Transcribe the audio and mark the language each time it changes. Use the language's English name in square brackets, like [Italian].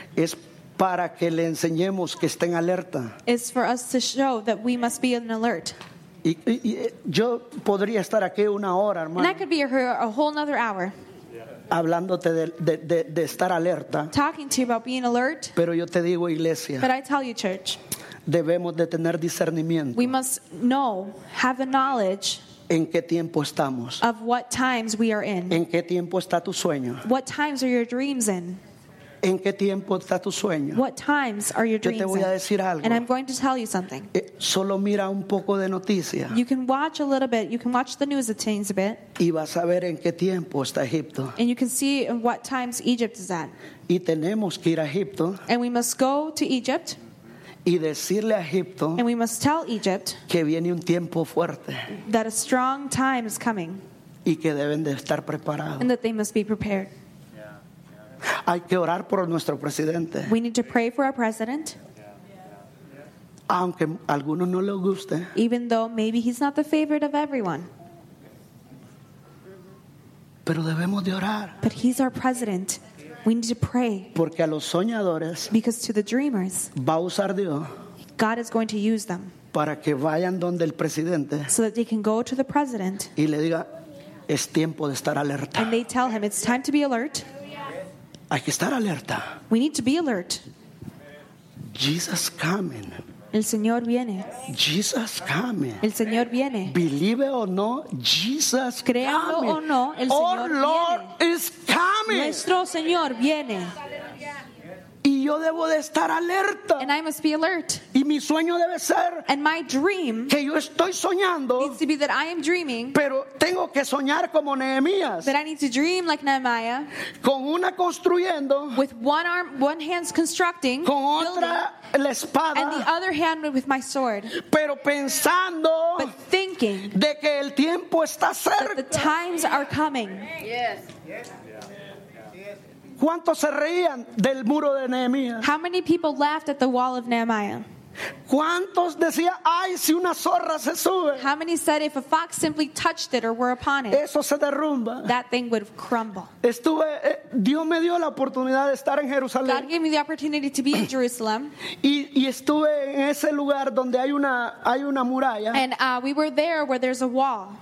[Spanish] Es para que le enseñemos que estén alerta. [English] It's for us to show that we must be on alert. [Spanish] Y yo podría estar aquí una hora, hermano. [English] And I could be here a whole another hour. [Spanish] Hablándote de estar alerta. [English] Talking to you about being alert. [Spanish] Pero yo te digo, iglesia. [English] But I tell you, church. [Spanish] Debemos de tener discernimiento. [English] We must know, have the knowledge. [Spanish] ¿En qué tiempo estamos? [English] Of what times we are in. [Spanish] ¿En qué tiempo está tu sueño? [English] What times are your dreams in? [Spanish] ¿En qué tiempo está tu sueño? [English] What times are your dreams? [Spanish] Yo te voy a decir algo. [English] And I'm going to tell you something. [Spanish] Solo mira un poco de noticia. [English] You can watch a little bit. You can watch the news a teens a bit. [Spanish] Y vas a ver en qué tiempo está Egipto. [English] And you can see in what times Egypt is at. [Spanish] Y tenemos que ir a Egipto. [English] And we must go to Egypt. [Spanish] Y decirle a Egipto. [English] And we must tell Egypt. [Spanish] Que viene un tiempo fuerte. [English] That a strong time is coming. [Spanish] Y que deben de estar preparados. [English] And that they must be prepared. [Spanish] Hay que orar por nuestro presidente. [English] We need to pray for our president. [Spanish] Aunque algunos no le guste. [English] Even though maybe he's not the favorite of everyone. [Spanish] Pero debemos de orar. [English] But he's our president. We need to pray. [Spanish] Porque a los soñadores. [English] Because to the dreamers. [Spanish] Va a usar Dios. [English] God is going to use them. [Spanish] Para que vayan donde el presidente. [English] So that they can go to the president. [Spanish] Y le diga, es tiempo de estar alerta. [English] And they tell him, it's time to be alert. [Spanish] Hay que estar alerta. [English] We need to be alert. Jesus coming. [Spanish] El Señor viene. [English] Jesus coming. [Spanish] El Señor viene. [English] Believe it or no, Jesus [Spanish] Creando [English] coming. [Spanish] O no, el [English] Our [Spanish] Señor [English] Lord [Spanish] viene. [English] Is coming. [Spanish] Nuestro Señor viene. Y yo debo de estar alerta. [English] And I must be alert. [Spanish] Y mi sueño debe ser. [English] And my dream. [Spanish] Que yo estoy soñando. [English] Needs to be that I am dreaming. [Spanish] Pero tengo que soñar como Nehemías. [English] That I need to dream like Nehemiah. [Spanish] Con una construyendo. [English] With one arm, one hand's constructing. [Spanish] Con otra la espada. [English] And the other hand with my sword. [Spanish] Pero pensando. [English] But thinking. [Spanish] De que el tiempo está cerca. [English] That the times are coming. Yes. [Spanish] ¿Cuántos se reían del muro de Nehemías? [English] How many people laughed at the wall of Nehemiah? [Spanish] ¿Cuántos decían, ay, si una zorra se sube? [English] How many said if a fox simply touched it or were upon it? [Spanish] Eso se derrumba. [English] That thing would crumble. [Spanish] Estuve, Dios me dio la oportunidad de estar en Jerusalén. [English] God gave me the opportunity to be in Jerusalem. [Spanish] Y estuve en ese lugar donde hay una muralla. [English] And we were there where there's a wall.